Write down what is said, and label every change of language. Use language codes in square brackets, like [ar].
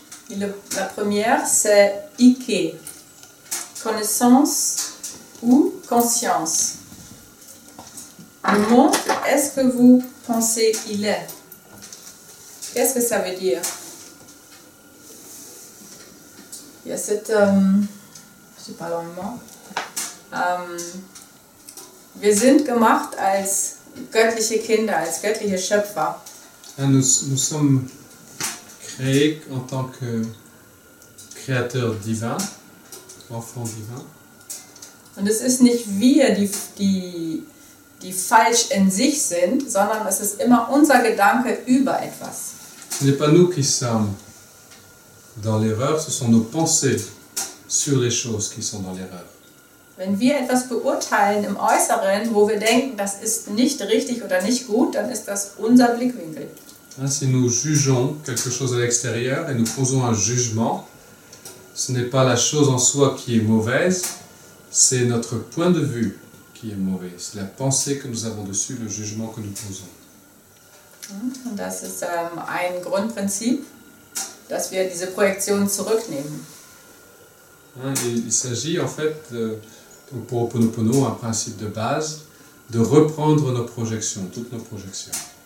[fr] Et la première, c'est Ike, connaissance ou conscience. Le monde, est-ce que vous pensez qu'il est? Qu'est-ce que ça veut dire? Il y a cette, je sais pas vraiment, [de] wir sind gemacht als göttliche Kinder, als göttliche Schöpfer. Ja, [fr] nous sommes créés en tant que créateurs divins, enfants divins. [de] Und es ist nicht wir, die falsch in sich sind, sondern es ist immer unser Gedanke über etwas. [fr] Ce n'est pas nous qui sommes dans l'erreur, ce sont nos pensées sur les choses qui sont dans l'erreur. [de] Wenn wir etwas beurteilen im Äußeren, wo wir denken, das ist nicht richtig oder nicht gut, dann ist das unser Blickwinkel. [fr] Si nous jugeons quelque chose à l'extérieur et nous posons un jugement, ce n'est pas la chose en soi qui est mauvaise, c'est notre point de vue qui est mauvais. C'est la pensée que nous avons dessus, le jugement que nous posons. [de] Das ist ein Grundprinzip, dass wir diese Projektion zurücknehmen. [fr] Il s'agit en fait de, donc pour Ho'oponopono, un principe de base, de reprendre nos projections, toutes nos projections.